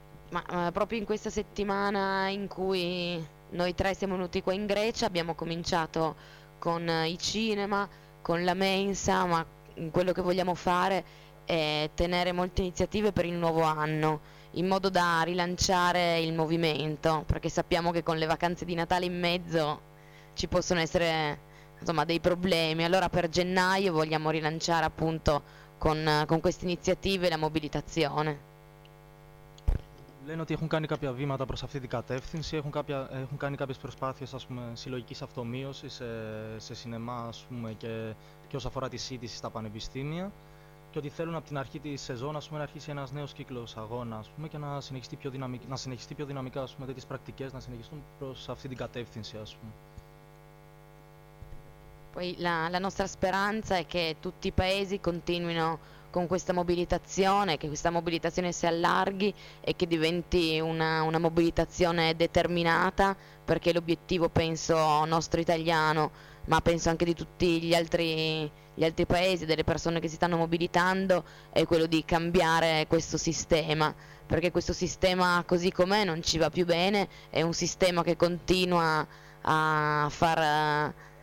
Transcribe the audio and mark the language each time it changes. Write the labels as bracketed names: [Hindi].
[Italian] Ma proprio in questa settimana in cui noi tre siamo venuti qua in Grecia, abbiamo cominciato con i cinema, con la mensa, ma quello che vogliamo fare è tenere molte iniziative per il nuovo anno, in modo da rilanciare il movimento, perché sappiamo che con le vacanze di Natale in mezzo ci possono essere, insomma, dei problemi. Allora per gennaio vogliamo rilanciare appunto con queste iniziative la mobilitazione. [Greek] Λένε ότι έχουν κάνει κάποια βήματα προς αυτή την κατεύθυνση, έχουν κάνει κάποιες προσπάθειες, ας πούμε, συλλογικής αυτομείωσης σε σινεμά, ας πούμε, και όσον αφορά τη σύντηση στα πανεπιστήμια, και ότι θέλουν από την αρχή της σεζόν, ας πούμε, να αρχίσει ένας νέος κύκλος αγώνα, ας πούμε, και να συνεχιστεί πιο δυναμικά, ας πούμε, τέτοιες πρακτικές να συνεχιστούν προς αυτή την κατεύθυνση, ας πούμε. [Italian] Poi la nostra speranza è che tutti i paesi continuino con questa mobilitazione, che questa mobilitazione si allarghi e che diventi una mobilitazione determinata, perché l'obiettivo, penso, nostro italiano, ma penso anche di tutti gli altri paesi, delle persone che si stanno mobilitando, è quello di cambiare questo sistema, perché questo sistema così com'è non ci va più bene, è un sistema che continua a far